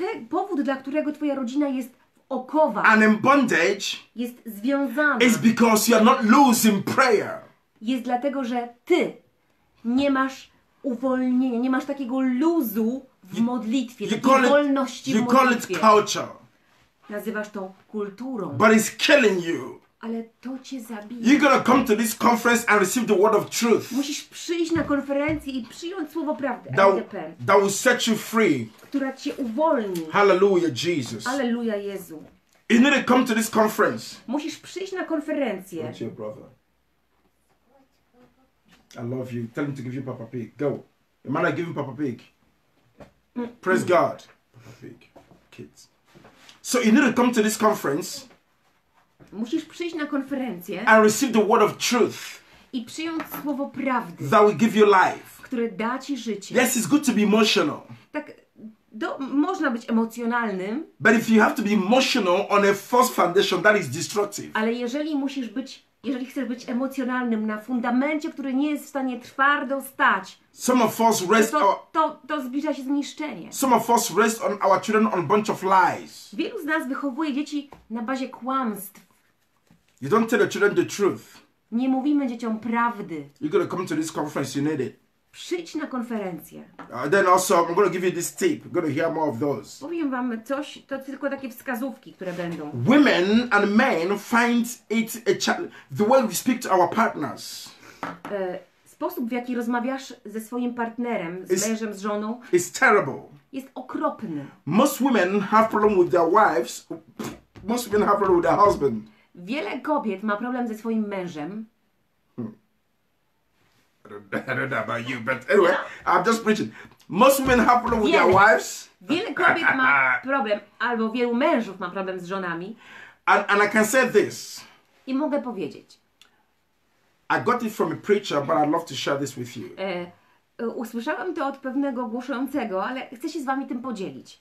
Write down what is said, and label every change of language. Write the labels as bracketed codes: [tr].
[pl] Powód, dla którego twoja rodzina jest w okowach. [en] And in bondage. [pl] Jest związana. [en] Is because you're not loose in prayer. [pl] Jest dlatego, że ty nie masz uwolnienia, nie masz takiego luzu w modlitwie, takiej wolności w modlitwie. Nazywasz to kulturą. [en] But it's killing you. [pl] Ale to cię zabija. [en] You're gonna come to this conference and receive the word of truth. [pl] Musisz przyjść na konferencję i przyjąć słowo prawdy. [en] That will set you free. [pl] Która cię uwolni. [en] Hallelujah, Jesus. [pl] Hallelujah, Jezu. [en] You need to come to this conference. [pl] Musisz przyjść na konferencję. [en] What's your brother? I love you. Tell him to give you Papa Pig. Go. Am I not giving Papa Pig? Praise God. Papa Pig. Kids. So you need to come to this conference. [pl] Musisz przyjść na konferencję. [en] And receive the word of truth. [pl] I przyjąć słowo prawdy. [en] That will give you life. [pl] Które da ci życie. [en] Yes, it's good to be emotional. [pl] Tak, można być emocjonalnym. [en] But if you have to be emotional on a false foundation, that is destructive. [pl] Ale jeżeli musisz być Jeżeli chcesz być emocjonalnym na fundamencie, który nie jest w stanie twardo stać, [en] some of us rest [pl] to zbliża się zniszczenie. [en] Some of us rest on our children on bunch of lies. [pl] Wielu z nas wychowuje dzieci na bazie kłamstw. [en] You don't tell the children the truth. [pl] Nie mówimy dzieciom prawdy. [en] You gotta come to this conference, you need it. [pl] Przyjdź na konferencję. [en] Then also, I'm gonna give you this tip. I'm gonna hear more of those. [pl] Powiem wam coś, to tylko takie wskazówki, które będą. [en] Women and men find it a challenge. The way we speak to our partners. [pl] Sposób, w jaki rozmawiasz ze swoim partnerem, z mężem, z żoną, [en] is terrible. [pl] Jest okropny. [en] Most women have problem with their wives. Most women have problem with their husband. [pl] Wiele kobiet ma problem ze swoim mężem. [en] I don't know about you, but anyway, I'm just preaching. Most women have problem with their wives. [pl] Wiele kobiet ma problem, albo wielu mężów ma problem z żonami. [en] And I can say this. [pl] I mogę powiedzieć. [en] I got it from a preacher, but I'd love to share this with you. [pl] Usłyszałam to od pewnego głoszącego, ale chcę się z wami tym podzielić.